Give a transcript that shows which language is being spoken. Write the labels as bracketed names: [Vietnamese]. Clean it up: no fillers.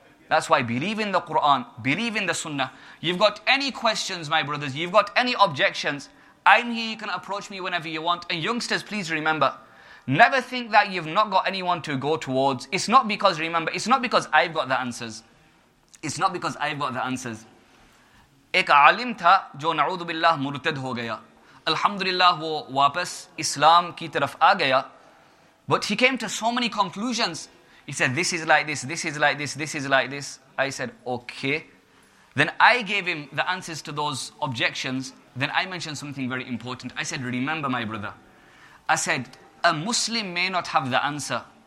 [English] That's why believe in the Quran, believe in the Sunnah. You've got any questions, my brothers, you've got any objections, I'm here, you can approach me whenever you want. And youngsters, please remember, never think that you've not got anyone to go towards. It's not because, remember, it's not because I've got the answers. It's not because I've got the answers. [Urdu] ایک عالم تھا جو نعوذ باللہ مرتد ہو گیا۔ الحمدللہ، وہ واپس اسلام کی طرف آ گیا۔ [English] But he came to so many conclusions. He said, this is like this, this is like this, this is like this. I said, okay. Then I gave him the answers to those objections. Then I mentioned something very important. I said, remember, my brother. I said, a Muslim may not have the answer.